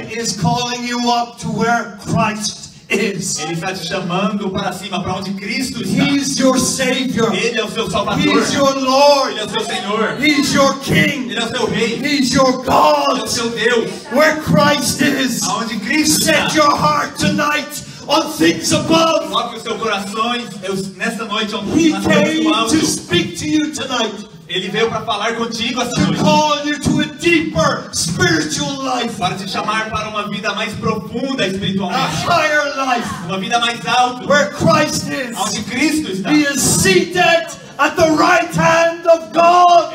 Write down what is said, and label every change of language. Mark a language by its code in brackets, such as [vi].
[en] It is calling you up to where Christ is. [pt] Ele está te chamando para cima, para onde Cristo está. [en] He is your Savior. [pt] Ele é o seu Salvador. [en] He is your Lord. [pt] Ele é o seu Senhor. [en] He is your King. [pt] Ele é o seu Rei. [en] He is your God. [pt] Ele é o seu Deus. [en] Where Christ is. [pt] Aonde Cristo [en] Set [pt] está. [en] Set your heart tonight on things above. [pt] Coloque o seu coração nesta noite onde [en] He came to speak to you tonight. [pt] Ele veio para falar contigo essa [en] to [pt] noite. [en] Call you to a deeper spiritual life. [pt] Para te chamar para uma vida mais profunda espiritualmente. [en] A higher life. [pt] Uma vida mais alta. [en] Where Christ is. [pt] Onde Cristo está. [en] He is seated at the right hand of God.